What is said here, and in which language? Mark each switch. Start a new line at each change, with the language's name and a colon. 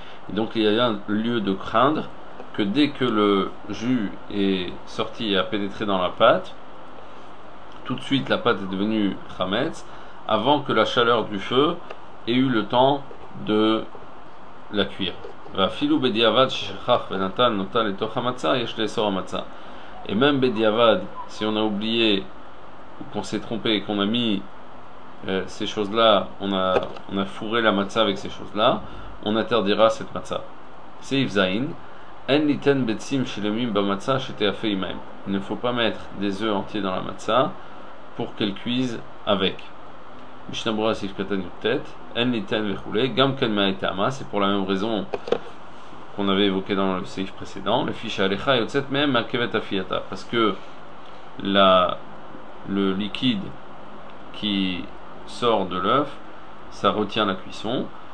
French: Et donc il y a un lieu de craindre que dès que le jus est sorti et a pénétré dans la pâte, tout de suite la pâte est devenue chametz avant que la chaleur du feu ait eu le temps de la cuire.
Hebrew: ואפילו בדיעבד ששכח ונתן נוטה לתוך המצה, יש לאסור המצה.
French: Et même בדיעבד, si on a oublié, ou qu'on s'est trompé et qu'on a mis ces choses-là, on a fourré la matza avec ces choses-là, on interdira cette matza.
Hebrew: סעיף זין, אין ליתן ביצים שלמים במצה שתיאפה עמהם.
French: Il ne faut pas mettre des œufs entiers dans la matza pour qu'elle cuise avec.
Hebrew: משנה ברורה סעיף קטן י"ט, אין ליתן וכו', גם כן מהטעמה,
French: c'est pour la même raison qu'on avait évoqué dans le seif précédent, le
Hebrew: fiche alecha yotzet mehem makevet afiyata,
French: parce que le liquide qui sort de l'œuf, ça retient la cuisson.